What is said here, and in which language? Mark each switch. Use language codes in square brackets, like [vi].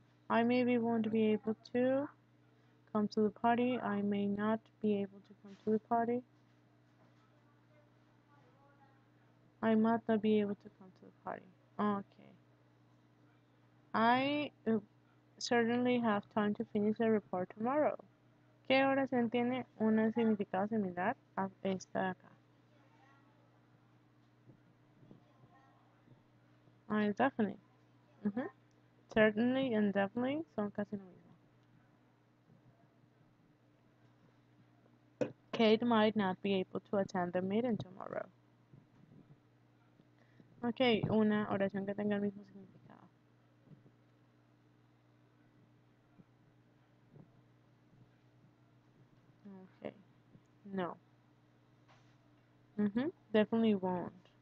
[en] I maybe won't be able to come to the party. I may not be able to come to the party. I might not be able to come to the party. Okay. I certainly have time to finish the report tomorrow. [es] ¿Qué oración tiene un significado similar a esta de acá? [en] I definitely. Certainly and definitely [es] son casi lo mismo. [en] Kate might not be able to attend the meeting tomorrow. [es] Ok, una oración que tenga el mismo significado. Ok, no. [en] Definitely won't.